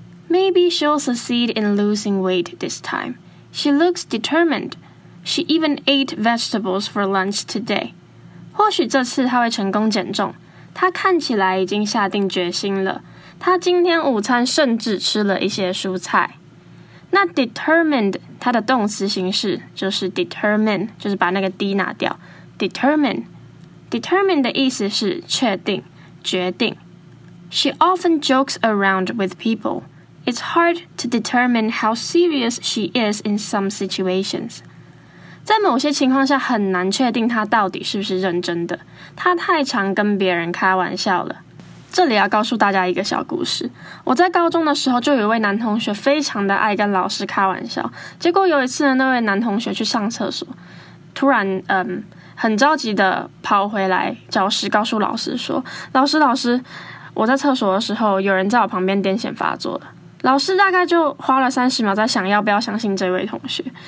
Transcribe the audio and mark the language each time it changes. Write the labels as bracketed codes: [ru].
[en] Maybe she'll succeed in losing weight this time. She looks determined. She even ate vegetables for lunch today. [zh] 或许这次她会成功减重。她看起来已经下定决心了。她今天午餐甚至吃了一些蔬菜。那 determined 它的动词形式就是 determine， 就是把那个 d 拿掉 ，determine。 Determined 的意思是确定、决定。 [en] She often jokes around with people. It's hard to determine how serious she is in some situations. [zh] 在某些情况下很难确定她到底是不是认真的。她太常跟别人开玩笑了。这里要告诉大家一个小故事。我在高中的时候就有一位男同学非常的爱跟老师开玩笑。结果有一次呢，那位男同学去上厕所，突然很着急的跑回来教室告诉老师说老师老师我在厕所的时候有人在我旁边癫痫发作了老师大概就花了30秒在想要不要相信这位同学